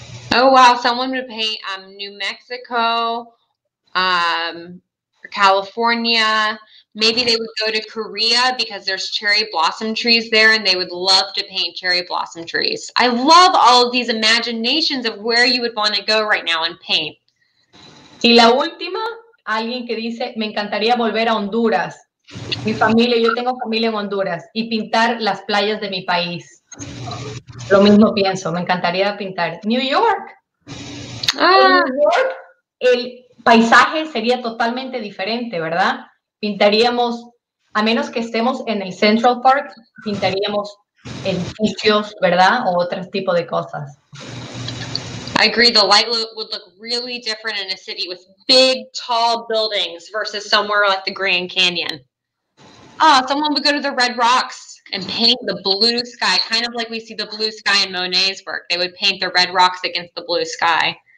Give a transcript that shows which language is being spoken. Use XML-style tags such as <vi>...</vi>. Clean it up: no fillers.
<en>Oh wow, someone would paint New Mexico, California. Maybe they would go to Korea because there's cherry blossom trees there and they would love to paint cherry blossom trees. I love all of these imaginations of where you would want to go right now and paint.</en> <es>Y la última, alguien que dice, me encantaría volver a Honduras. Mi familia, yo tengo familia en Honduras y pintar las playas de mi país. Lo mismo pienso, me encantaría pintar New York. Ah. En New York, el paisaje sería totalmente diferente, ¿verdad? Pintaríamos, a menos que estemos en el Central Park, pintaríamos edificios, ¿verdad? O otro tipo de cosas.</es> <en>I agree, the light would look really different in a city with big, tall buildings versus somewhere like the Grand Canyon. Ah, oh, someone would go to the Red Rocks and paint the blue sky, kind of like we see the blue sky in Monet's work. They would paint the red rocks against the blue sky.</en>